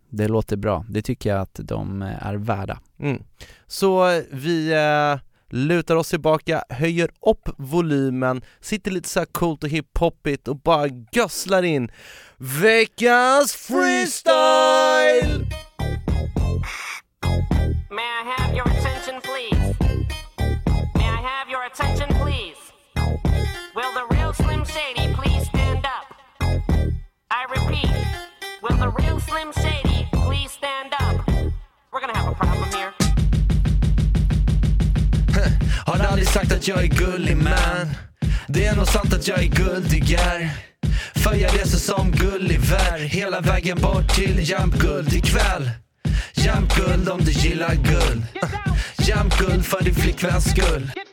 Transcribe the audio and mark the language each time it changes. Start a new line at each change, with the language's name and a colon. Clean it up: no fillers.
Swedish: Det låter bra, det tycker jag att de är värda. Så vi... lutar oss tillbaka, höjer upp volymen, sitter lite så här coolt och hiphoppigt och bara gösslar in veckans freestyle!
English: May I have your attention please? May I have your attention please? Will the real Slim Shady please stand up? I repeat, will the real Slim Shady please stand up? We're gonna have a problem here.
Swedish: Har aldrig sagt att jag är gullig man. Det är nog sant att jag är guldigär. För jag reser som Gulliver hela vägen bort till Jämtguld ikväll. Jämtguld om du gillar guld. Jämtguld för din flickväns skull.